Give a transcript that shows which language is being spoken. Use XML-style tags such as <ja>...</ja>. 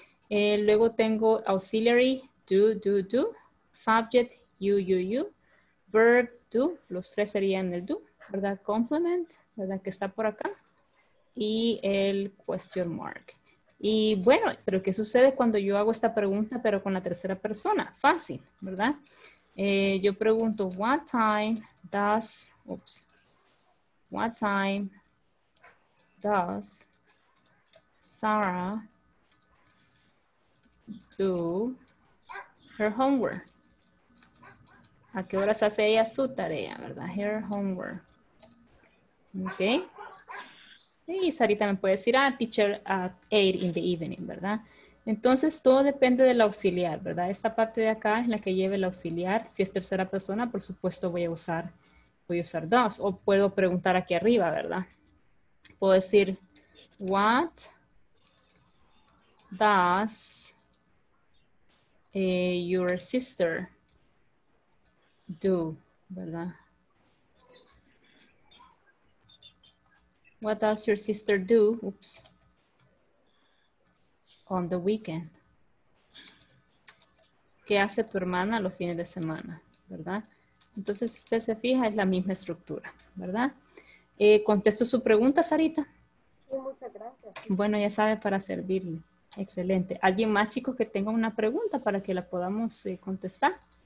<es>Luego tengo auxiliary, do, do, do, subject, you, you, you, verb, do, los tres serían el do, ¿verdad? Complement, ¿verdad? Que está por acá, y el question mark. Y bueno, ¿pero qué sucede cuando yo hago esta pregunta, pero con la tercera persona? Fácil, ¿verdad? Yo pregunto,</es> <en>what time does Sarah do her homework?</en> <es>¿A qué horas hace ella su tarea, verdad?</es> <en>Her homework.</en> <es>Ok. Y Sarita me puede decir, teacher</es> <en>at 8 in the evening,</en> <es>¿verdad? Entonces, todo depende del auxiliar, ¿verdad? Esta parte de acá es la que lleva el auxiliar. Si es tercera persona, por supuesto, voy a usar does. O puedo preguntar aquí arriba, ¿verdad? Puedo decir,</es> <en>what does your sister do,</en> <es>¿verdad?</es> <en>What does your sister do, oops, on the weekend?</en> <es>¿Qué hace tu hermana los fines de semana, verdad? Entonces, si usted se fija, es la misma estructura, ¿verdad? ¿Contesto su pregunta, Sarita? Sí, muchas gracias. Bueno, ya sabe, para servirle. Excelente. ¿Alguien más, chicos, que tenga una pregunta para que la podamos contestar?</es>